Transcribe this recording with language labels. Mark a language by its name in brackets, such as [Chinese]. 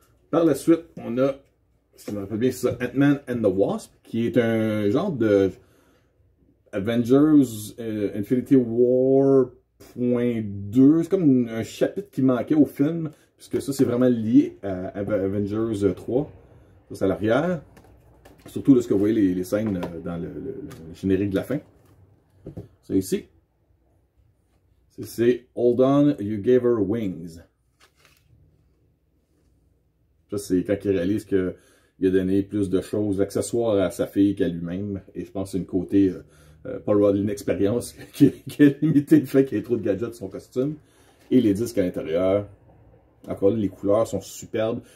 [French] Par la suite, on a, si je me rappelle bien, c'est ça, Ant-Man and the Wasp, qui est un genre de Avengers Infinity War 2. C'est comme un chapitre qui manquait au film, puisque ça, c'est vraiment lié à Avengers 3. Ça, c'est à l'arrière. Surtout lorsque vous voyez les scènes dans le générique de la fin. Ça, ici, c'est [English] Hold on, you gave her wings. [French] Ça, c'est quand il réalise qu'il a donné plus de choses, d'accessoires à sa fille qu'à lui-même. Et je pense que c'est une côté Paul Rudd, l'inexpérience, qui a limité le fait qu'il y ait trop de gadgets dans son costume. Et les disques à l'intérieur. Encore là, les couleurs sont superbes.